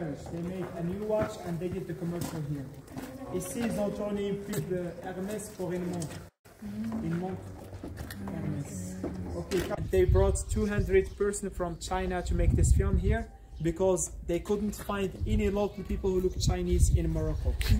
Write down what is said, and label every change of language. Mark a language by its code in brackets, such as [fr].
[en] They made a new watch and they did the commercial here. [fr] Ici, ils ont tourné une pub de Hermès pour une montre. Une montre Hermès. Okay. [en] They brought 200 persons from China to make this film here because they couldn't find any local people who look Chinese in Morocco.